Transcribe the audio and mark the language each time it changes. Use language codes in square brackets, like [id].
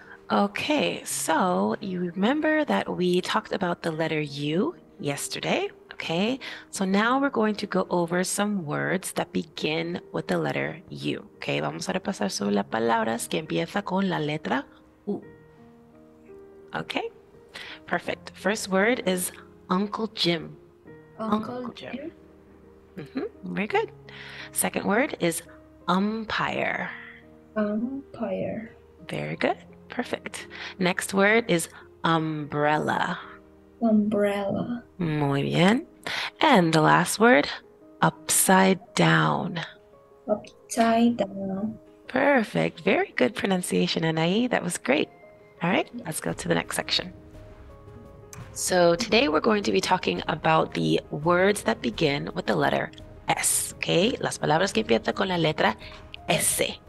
[en] Okay, so you remember that we talked about the letter U yesterday, okay? So now we're going to go over some words that begin with the letter U, okay? [es] Vamos a repasar sobre las palabras que empieza con la letra U. [en] Okay, perfect. First word is Uncle Jim. Uncle Uncle Jim. Jim. Very good. Second word is umpire. Umpire. Very good. Perfect. Next word is umbrella. Umbrella. [es] Muy bien. [en] And the last word, upside down. Upside down. Perfect. Very good pronunciation, Anai. That was great. All right, let's go to the next section. So today we're going to be talking about the words that begin with the letter S, okay? [es] Las palabras que empiezan con la letra S.